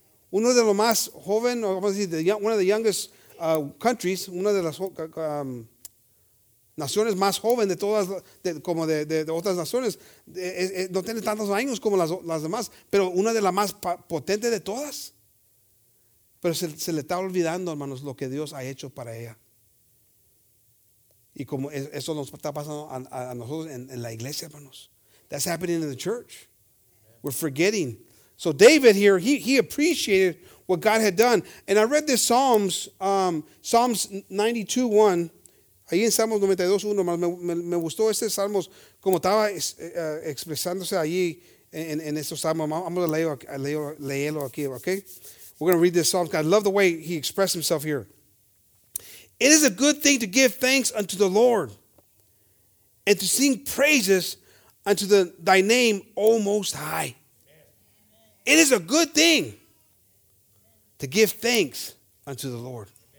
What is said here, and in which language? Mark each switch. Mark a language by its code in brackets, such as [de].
[es] Uno de los más joven, [en] one of the youngest countries, [es] una de las naciones más joven de todas, de otras naciones, no tiene tantos años como las demás, pero una de las más potentes de todas. Pero se le está olvidando, hermanos, lo que Dios ha hecho para ella. Y como eso nos está pasando a nosotros en la iglesia, hermanos. [en] That's happening in the church. We're forgetting. So David here, he appreciated what God had done. And I read this Psalms, Psalms 92:1. [es] Ahí en Salmos 92:1, me gustó este Salmos, como estaba expresándose allí en estos Salmos. [en] I'm going to [es] leerlo aquí, [en] okay? We're going to read this Psalm. I love the way he expressed himself here. It is a good thing to give thanks unto the Lord and to sing praises unto thy name, O Most High. It is a good thing to give thanks unto the Lord.